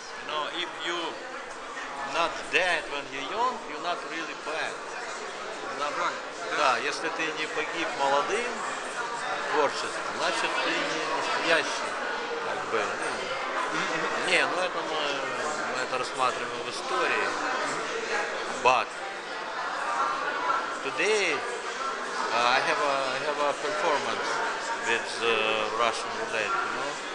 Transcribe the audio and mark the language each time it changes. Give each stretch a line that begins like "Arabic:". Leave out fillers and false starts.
English: No, if you not dead when you young, you're not really bad. Not,
Russian: да, если ты не погиб молодым, творчество, значит ты не настоящий, как бы. Не, ну это мы это рассматриваем в истории.
English: But today I have a performance with Russian roulette, you know.